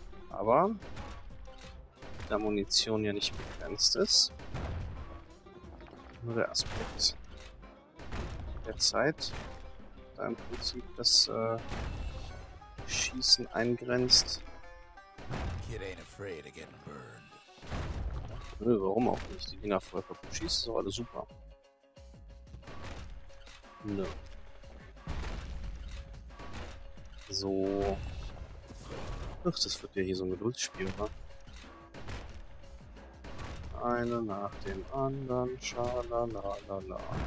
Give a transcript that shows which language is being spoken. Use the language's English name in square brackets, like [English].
[German] Aber da Munition ja nicht begrenzt ist, nur der Aspekt der Zeit da im Prinzip das Schießen eingrenzt. [English] Kid ain't afraid of getting burned. [German] Nö, warum auch nicht? Die Dinger voll kaputt schießt, ist doch alles super. Nö. So. Ach, das wird ja hier so ein Geduldsspiel, wa? Eine nach dem anderen, schalalalala.